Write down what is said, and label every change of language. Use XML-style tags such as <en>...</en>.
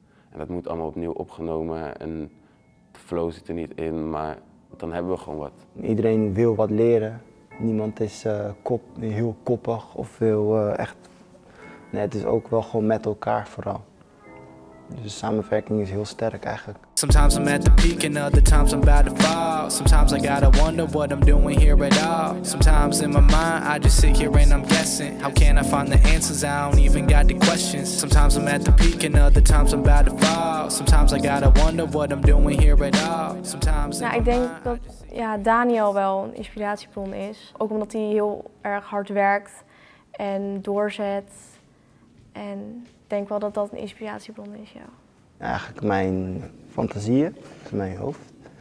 <nl>En dat moet allemaal opnieuw opgenomen en de flow zit er niet in, maar dan hebben we gewoon wat. Iedereen wil wat leren. Niemand is heel koppig of wil echt... Nee, het is ook wel gewoon met elkaar vooral. Dus de samenwerking is heel sterk eigenlijk.</nl> <en>Sometimes I'm at the peak and other times I'm about to fall. Sometimes I gotta wonder what I'm doing here at all. Sometimes in my mind I just sit here and I'm guessing. How can I find the answers? I don't even got the questions. Sometimes I'm at the peak and other times I'm about to fall. Sometimes I gotta wonder what I'm doing here at all. Sometimes</en> <nl>ik denk dat Daniel wel een inspiratiebron is. Ook omdat hij heel erg hard werkt en doorzet. En ik denk wel dat dat een inspiratiebron is, ja. Eigenlijk mijn fantasieën, mijn hoofd.</nl>